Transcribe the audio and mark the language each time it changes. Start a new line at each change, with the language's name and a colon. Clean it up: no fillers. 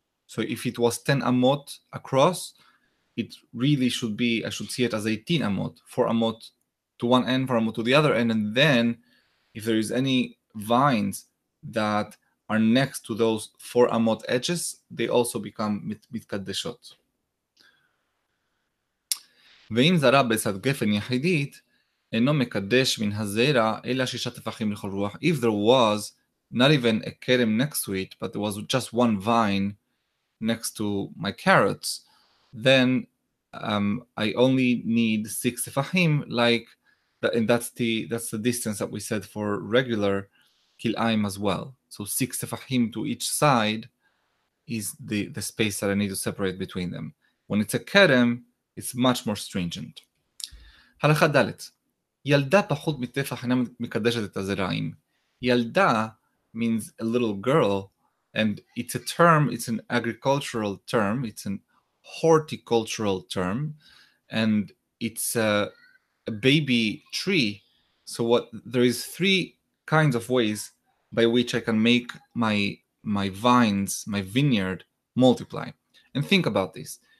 English: So if it was 10 amot across, it really should be, I should see it as 18 amot, four amot to one end, four amot to the other end. And then if there is any vines that are next to those four amot edges, they also become mitkadeshot.
Hebrew: ואם זרע בצד גפן יחידית, אינו מקדש מן הזרע, אלא שישה תפחים לכל רוח.
English: If there was not even a kerem next to it, but there was just one vine next to my carrots, then I only need six tefachim, like, and that's the distance that we said for regular kilayim as well. So six tefachim to each side is the space that I need to separate between them. When it's a kerem, it's much more stringent.
Hebrew: הלכה דלת. ילדה פחות מטפח אינה מקדשת את הזרעים.
English: ילדה means a little girl, and it's a term, it's an agricultural term, it's an horticultural term, and it's a baby tree. So what there is three kinds of ways by which I can make my vines, my vineyard, multiply. And think about this.